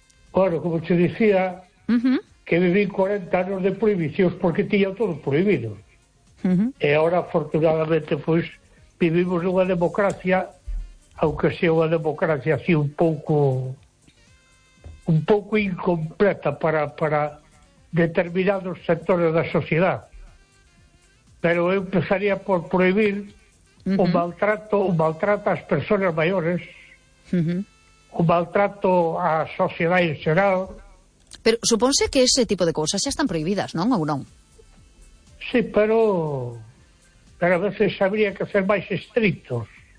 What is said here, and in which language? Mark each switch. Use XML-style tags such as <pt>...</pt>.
<es>Bueno, como te decía, que viví 40 años de prohibición porque tenía todo prohibido. Y ahora, afortunadamente, pues, vivimos en una democracia. aunque sea</es> <gl>unha democracia así un pouco incompleta para determinados sectores da sociedade. Pero eu empezaría por prohibir uh-huh. o maltrato ás persoas maiores, uh-huh. o maltrato á sociedade en xeral. Pero supónse que ese tipo de cousas xa están prohibidas, non, ou non?</gl> <es>Sí, pero a veces habría que ser máis estrictos.</es>